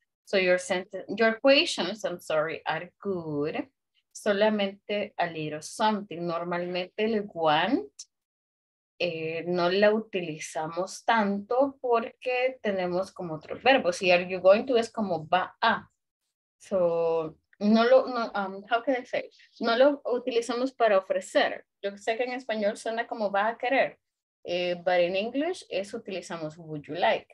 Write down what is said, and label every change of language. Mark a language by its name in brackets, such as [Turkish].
[English] So your sentence, your questions, I'm sorry, are good. [Spanish] Solamente [English] a little something. [Spanish] Normalmente el want no la utilizamos tanto porque tenemos como otro verbo. Si [English] are you going to [Spanish] es como va a. [English] So [Spanish] no lo, no, [English] how can I say? [Spanish] No lo utilizamos para ofrecer. Yo sé que en español suena como va a querer. [English] But in English [Spanish] es utilizamos [English] would you like.